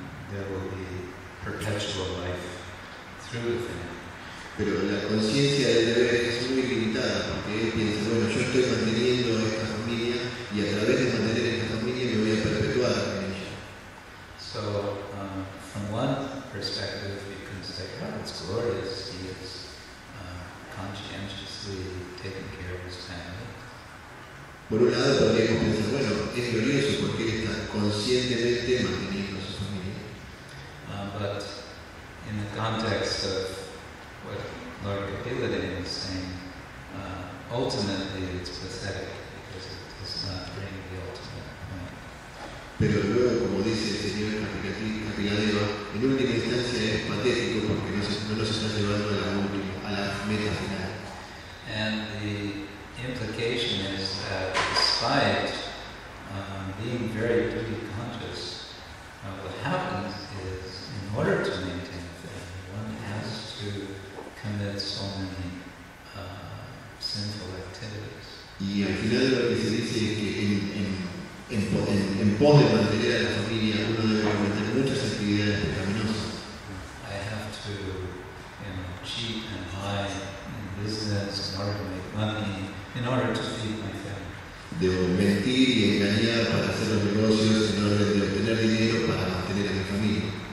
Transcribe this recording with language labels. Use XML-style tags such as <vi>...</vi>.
<en>There will be perpetual life through the family.</en> <es>Pero la conciencia del deber es muy limitada porque él piensa, bueno, yo estoy manteniendo esta familia y a través de mantener esta familia me voy a perpetuar en ella.</es> <en>So, from one perspective, you can say, oh, it's glorious. He is conscientiously taking care of his family.</en> <es>Por un lado, podríamos pensar, bueno, es glorioso porque él está conscientemente manteniendo a su familia.</es> <en>But in the context of what Lord Kapila Dev is saying, ultimately it's pathetic because it does not bring the ultimate point.</en> <es>Pero luego, como dice el señor Kapila Dev, en última instancia es patético porque no nos está llevando a la última, a la meta final.</es> <en>And the implication is that despite being very duty conscious, what happens is in order to maintain faith, one has to commit so many sinful activities.</en> <es>Y al final lo que se dice es que en pos de mantener a la familia uno debe cometer muchas actividades pecaminosas.</es> <en>I have to, you know, cheat and lie in business in order to make money, in order to feed my family.</en> <es>Debo mentir y engañar para hacer los negocios en orden de obtener dinero para mantener a mi familia.</es>